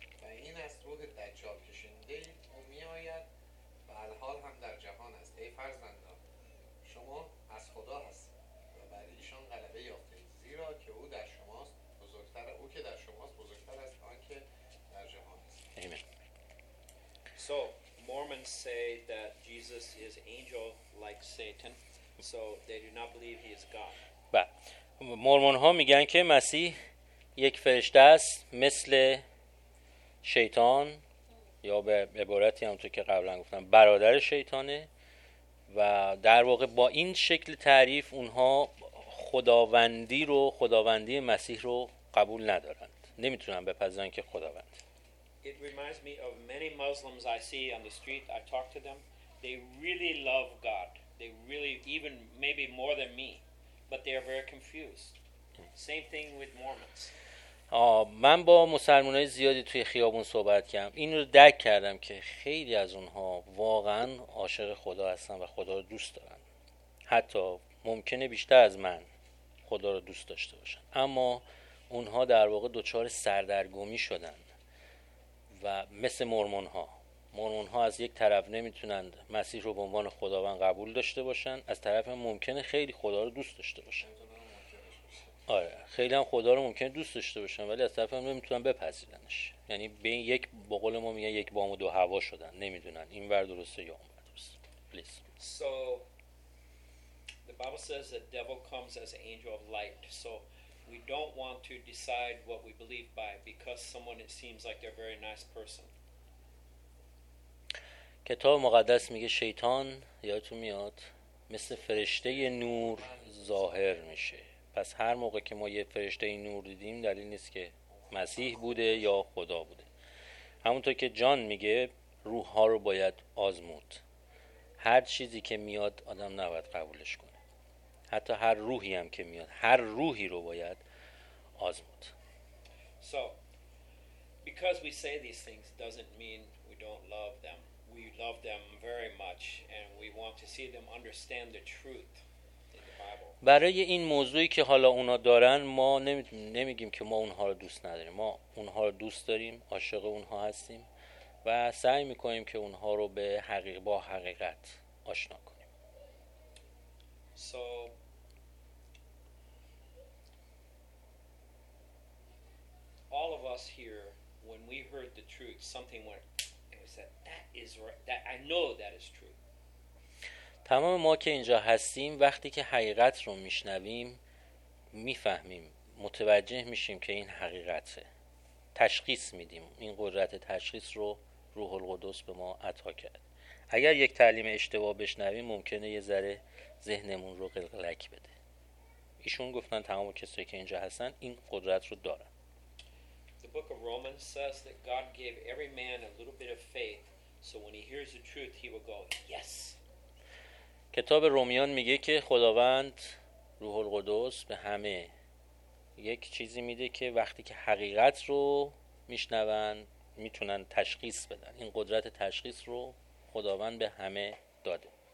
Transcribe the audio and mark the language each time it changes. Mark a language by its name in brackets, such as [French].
[Persian] و این است روح دجال که شنیده اید او می آید و الحال هم در جهان است. ای فرزندان شما از خدا هست و بر ایشان غلبه یافتید، زیرا که او در شماست بزرگتر، او که در شماست بزرگتر است آن که در جهان است. آمین. [English] So Mormons say that Jesus is angel like Satan, so they do not believe he is God. [Persian] مورمون ها میگن که مسیح یک فرشته است مثل شیطان یا به عبارتی همونطور که قبلا گفتم برادر شیطانه و در واقع با این شکل تعریف اونها خداوندی رو خداوندی مسیح رو قبول ندارند نمیتونن بپذیرن که خداوند [English] It reminds me of many Muslims I see on the street I talk to them they really love God they really even maybe more than me but they are very confused same thing with Mormons [Persian] من با مسلمانای زیادی توی خیابون صحبت کردم این رو درک کردم که خیلی از اونها واقعا عاشق خدا هستن و خدا رو دوست دارن حتی ممکنه بیشتر از من خدا رو دوست داشته باشن اما اونها در واقع دچار سردرگمی شدن و مثل مورمون ها از یک طرف نمیتونند مسیح رو به عنوان خداوند قبول داشته باشن از طرف هم ممکنه خیلی خدا رو دوست داشته باشن آره خیلی هم خدا رو ممکنه دوست داشته باشن ولی از طرف هم نمیتونن بپذیرنش یعنی بین یک با قول ما میگن یک بام و دو هوا شدن نمیدونن این ور درسته یا اون ور درسته پلیز [English] So the Bible says the devil comes as an angel of light so we don't want to decide what we believe by because someone it seems like they're a very nice person [Persian] کتاب مقدس میگه شیطان یادتون میاد مثل فرشته نور ظاهر میشه پس هر موقع که ما یه فرشته این نور دیدیم دلیل نیست که مسیح بوده یا خدا بوده همونطور که جان میگه روح ها رو باید آزمود هر چیزی که میاد آدم نباید قبولش کنه حتی هر روحی هم که میاد هر روحی رو باید آزمود [English] So because we say these things doesn't mean we don't love them we love them very much and we want to see them understand the truth [Persian] برای این موضوعی که حالا اونا دارن ما نمیگیم که ما اونها رو دوست نداریم ما اونها رو دوست داریم عاشق اونها هستیم و سعی میکنیم که اونها رو به حقیقت با حقیقت آشنا کنیم [English] So all of us here when we heard the truth something went and we said that is right that I know that is true [Persian] تمام ما که اینجا هستیم وقتی که حقیقت رو میشنویم میفهمیم متوجه میشیم که این حقیقته تشخیص میدیم این قدرت تشخیص رو روح القدس به ما عطا کرد اگر یک تعلیم اشتباه بشنویم ممکنه یه ذره ذهنمون رو قلقلک بده ایشون گفتن تمام کسایی که اینجا هستن این قدرت رو دارن [English] The book of Romans says that God gave every man a little bit of faith so when he hears the truth he will go yes [Persian] کتاب رومیان میگه که خداوند روح القدس به همه یک چیزی میده که وقتی که حقیقت رو میشنوند میتونن تشخیص بدن این قدرت تشخیص رو خداوند به همه داده